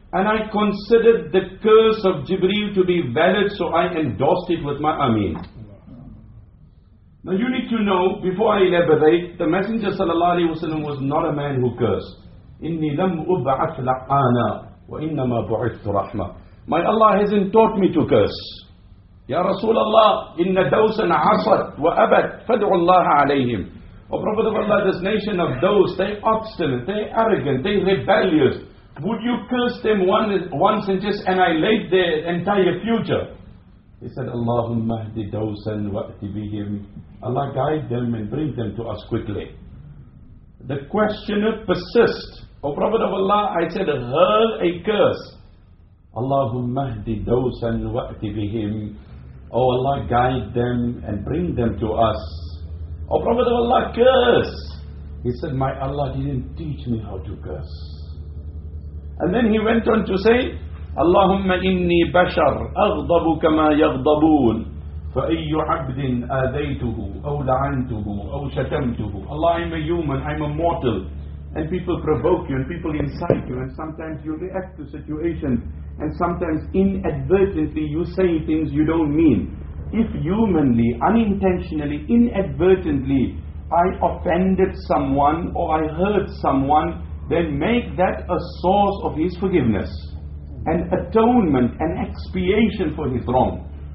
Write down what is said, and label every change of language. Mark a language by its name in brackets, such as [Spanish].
[English] And I considered the curse of Jibreel to be valid, so I endorsed it with my Ameen. Now you need to know, before I elaborate, the Messenger sallallahu alayhi wa sallam was not a man who cursed. [Arabic] إِنِّي لَمْ أُبْعَثْ لَعَانَا وَإِنَّمَا بُعِثْتُ رَحْمَةً. [English] My Allah hasn't taught me to curse. [Arabic] Ya Rasulallah, إِنَّ دَوْسًا عَصَتْ وَأَبَتْ فَدْعُ اللَّهَ عَلَيْهِمْ. [English] O Prophet of Allah, this nation of those, they obstinate, they arrogant, they rebellious. Would you curse them once and just annihilate their entire future? He said, [Arabic] Allahumma ahdi dawsan wa'ati bihim. [English] Allah, guide them and bring them to us quickly. The questioner persists. O Prophet of Allah, I said, hurl a curse. [Arabic] Allahumma ahdi dawsan wa'ati bihim. [English] O Allah, guide them and bring them to us. O Prophet of Allah, curse. He said, my Allah didn't teach me how to curse. And then he went on to say, [Arabic] اللهم إني بشر أغضب كما يغضبون فأي عبد آذيته أو لعنته أو شتمته. [English] Allah, I'm a human, I'm a mortal, and people provoke you and people incite you, and sometimes you react to situations, and sometimes inadvertently you say things you don't mean. If humanly, unintentionally, inadvertently I offended someone or I hurt someone, then make that a source of his forgiveness, an atonement, an expiation for his wrong.